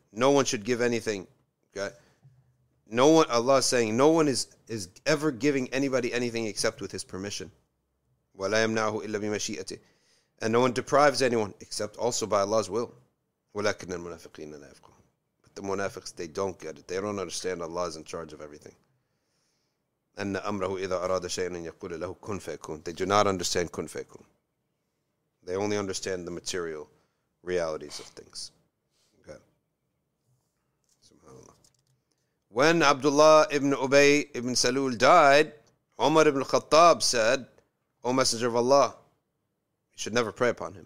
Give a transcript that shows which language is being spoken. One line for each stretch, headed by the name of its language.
English: No one should give anything. Okay? No one, Allah is saying, no one is ever giving anybody anything except with his permission.
Arabic: وَلَا يَمْنَعُهُ إِلَّا بِمَشِيئَتِهِ.
English: And no one deprives anyone except also by Allah's will.
Arabic: وَلَكِنَّ الْمُنَافِقِينَ لَا يَفْقَهُ.
English: But the munafiqs, they don't get it. They don't understand Allah is in charge of everything.
Arabic: أَنَّ أَمْرَهُ إِذَا أَرَادَ شَيْئًا يَقُولَ لَهُ كُنْ فَيَكُونَ.
English: They do not understand
Arabic: كُنْ فَيَكُونَ.
English: They only understand the material realities of things. Okay. Subhanallah. When Abdullah ibn Ubay ibn Salul died, Umar ibn Khattab said, O Messenger of Allah, you should never pray upon him.